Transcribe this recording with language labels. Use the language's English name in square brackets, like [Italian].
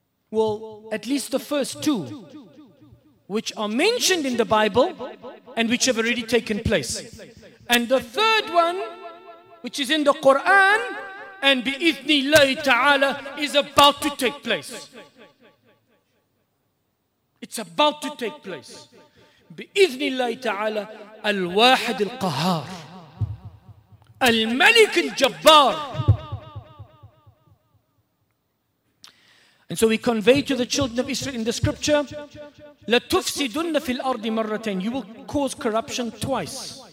[English] Well, at least the first two, which are mentioned in the Bible and which have already taken place. And the third one, which is in the Quran and bi-ithni Allah ta'ala, is about to take place. It's about to take place. [Arabic] بإذن الله تعالى الواحد القهار الملك الجبار. [English] And so we convey to the children of Israel in the scripture, [Arabic] لتفسدن في الأرض مرتين. [English] You will cause corruption twice.